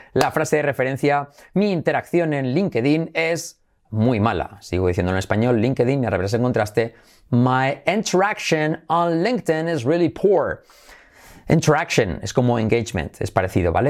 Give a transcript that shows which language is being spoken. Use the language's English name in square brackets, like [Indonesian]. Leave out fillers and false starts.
[Spanish] La frase de referencia, mi interacción en LinkedIn es muy mala. Sigo diciendo en español, LinkedIn, me arrepentí en contraste. [English] My interaction on LinkedIn is really poor. [Spanish] Interaction es como engagement, es parecido, ¿vale?